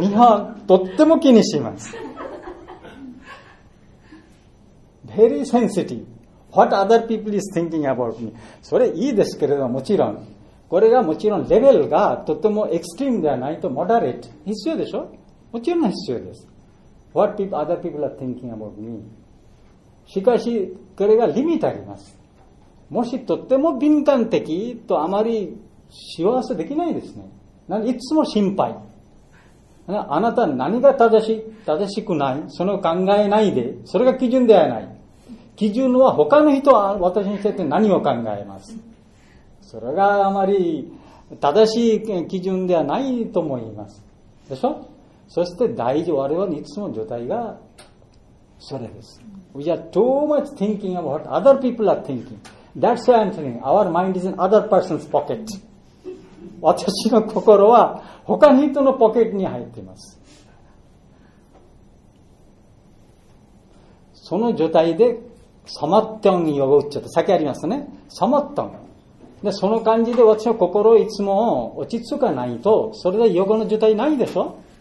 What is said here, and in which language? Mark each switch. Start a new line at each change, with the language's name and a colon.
Japanese: 日本、とっても気にします。
English: Very sensitive. What other people is thinking about me?
Japanese: それいいですけれども、もちろん。これがもちろん、レベルがとてもエクストリームではないと、モダレート。必要でしょ？もちろん必要です。
English: What people, other people are thinking about me.
Japanese: しかし、これがリミットあります。もし、とっても敏感的と、あまり幸せできないですね。なんでいつも心配。あなた、何が正しくない、その考えないで、それが基準ではない。基準は、他の人は私について何を考えます。それがあまり正しい基準ではないと思います。でしょ？そして大事、我々はいつも状態がそれです。
English: We are too much thinking about what other people are thinking. That's why I'm saying our mind is in other person's pocket.
Japanese: 私の心は他の人のポケットに入っています。その状態で、サマットンに呼ぶって、先ありますね。サマットン。で、その感じで私の心をいつも落ち着かないと、それで予後の状態ないでしょ。